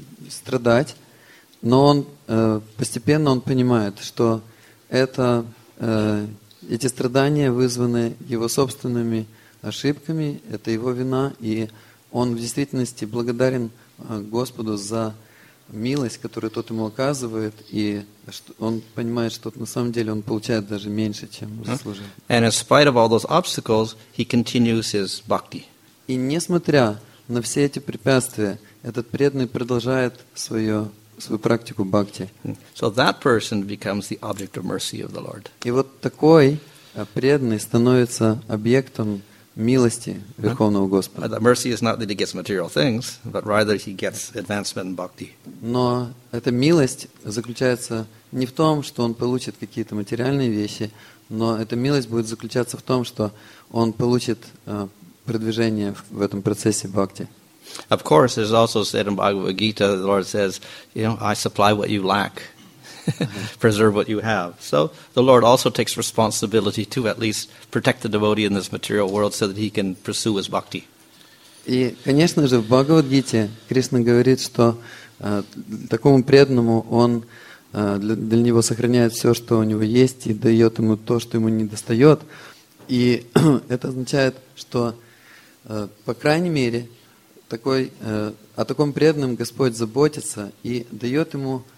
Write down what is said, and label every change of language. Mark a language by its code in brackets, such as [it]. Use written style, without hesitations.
[ru] страдать, но он постепенно он понимает, что это эти страдания вызваны его собственными ошибками, это его вина, и он в действительности благодарен Господу за милость, которую тот ему оказывает, и он понимает, что на самом деле он получает даже меньше, чем заслужил. [en] And in spite of all those obstacles, he continues his bhakti. [ru] И несмотря на все эти препятствия, этот преданный продолжает свою практику бхакти. [en] So that person becomes the object of mercy of the Lord. [ru] И вот такой преданный становится объектом милости Верховного Господа. [en] The mercy is not that he gets material things, but rather he gets advancement in bhakti. [ru] Но эта милость заключается не в том, что он получит какие-то материальные вещи, но эта милость будет заключаться в том, что он получит продвижение в этом процессе бхакти. [en] Of course, it is also said in Bhagavad Gita, the Lord says, you know, I supply what you lack, preserve what you have. So the Lord also takes responsibility to at least protect the devotee in this material world so that he can pursue his bhakti. [ru] И, конечно же, в Бхагавад-гите Кришна говорит, что такому преданному он для него сохраняет все, что у него есть, и дает ему то, что ему не достает. И это означает, что, по крайней мере, о таком преданном Господь заботится и дает ему